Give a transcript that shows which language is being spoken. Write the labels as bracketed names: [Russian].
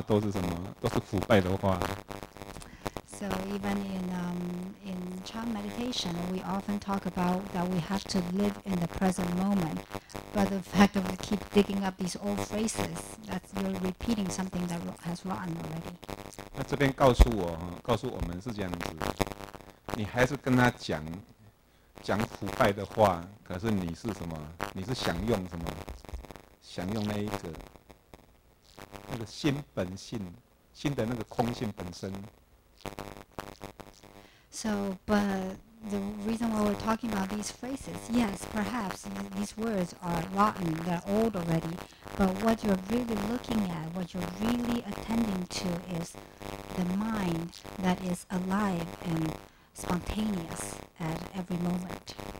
[Chinese] 我们禅修讲说要活在当下，可是老是讲的话都是什么？都是腐败的话。 [English] So even in Chan meditation, we often talk about that we have to live in the present moment. But the fact that we keep digging up these old phrases, that you're repeating something that has rotten already. [Chinese] 那这边告诉我们是这样子，你还是跟他讲腐败的话，可是你是什么？你是享用什么？享用那一个心本性，心的那个空性本身。 [English] So, but the reason why we're talking about these phrases, yes, perhaps these words are rotten, they're old already, but what you're really looking at, what you're really attending to is the mind that is alive and spontaneous at every moment.